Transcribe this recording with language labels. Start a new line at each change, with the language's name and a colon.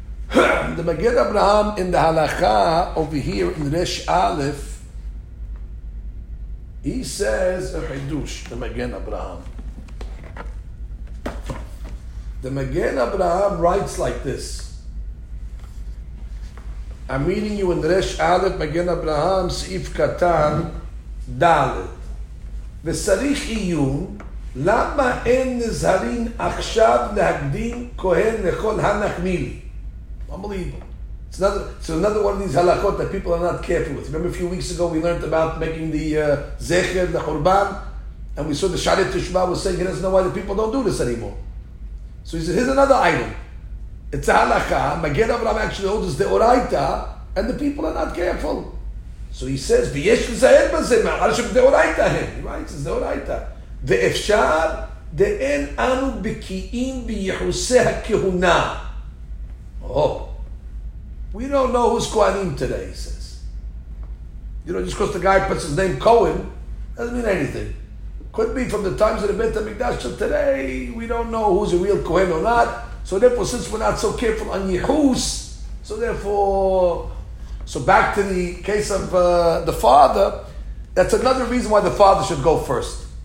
English: The Magen Abraham in the Halakha over here in Resh Aleph, he says a chidush, the Magen Abraham. The Magen Abraham writes like this. I'm reading you in Resh Aleph, Magen Abraham, Seif Katan, Dalet.
Hebrew: V'sarich iyun, למה אין נזהרין עכשיו להקדים כהן לכל הנחמיל?
English: Unbelievable. It's another one of these halakhot that people are not careful with. Remember a few weeks ago we learned about making the zecher, the korban, and we saw the Shari Teshuvah was saying he doesn't know why the people don't do this anymore. So he said, here's another item. It's a halakha, Magen Avraham actually holds it's the oraita, and the people are not careful. So he says,
Hebrew: v'yesh nizahar bazeh, ma'al shem de oraita hem.
English: He writes, it's the oraita.
Hebrew: ואפשר דאין אנו בקיאים ביחוסי הכהונה.
English: Oh, we don't know who's Kohanim today, he says. You know, just because the guy puts his name Cohen, doesn't mean anything. Could be from the times of the Beit HaMikdash to today, we don't know who's a real Kohen or not. So therefore, since we're not so careful on Yehus, so back to the case of the father, that's another reason why the father should go first.